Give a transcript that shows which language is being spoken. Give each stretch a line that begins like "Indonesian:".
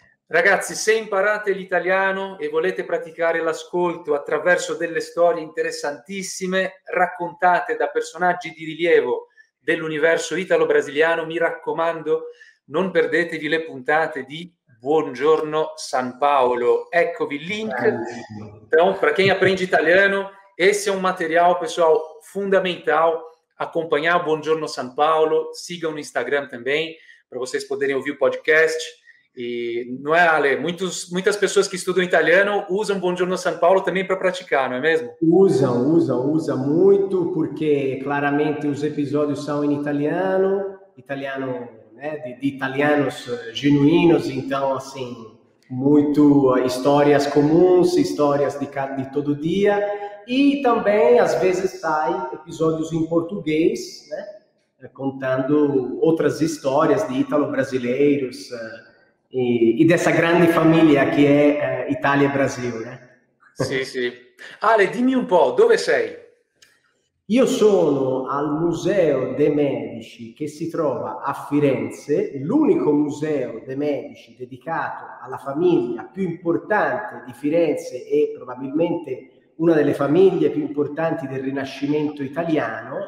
Italian: Ragazzi, se imparate l'italiano e volete praticare l'ascolto attraverso delle storie interessantissime raccontate da personaggi di rilievo dell'universo italo-brasiliano, mi raccomando, non perdetevi le puntate di Buongiorno San Paolo. Eccovi il link.
Portuguese: Então, para quem aprende italiano, esse é um material, pessoal, fundamental. Acompanhar Buongiorno San Paolo, sigam no Instagram também, para vocês poderem ouvir o podcast. E não é, Ale? Muitas pessoas que estudam italiano usam Buongiorno San Paolo também para praticar, não é mesmo? Usa muito, porque claramente os episódios são em italiano, né, de italianos genuínos, então, assim, muito histórias comuns, histórias de todo dia, E também, às vezes, sai episódios em português, né? Contando outras histórias de ítalo-brasileiros e dessa grande família que é Itália e Brasil, né? Sim, sim. Ale, dimmi um pouco,
Italian: dove sei? Io sono al Museo dei Medici che si trova a Firenze, l'unico museo dei Medici dedicato alla famiglia più importante di Firenze e probabilmente una delle famiglie più importanti del Rinascimento italiano.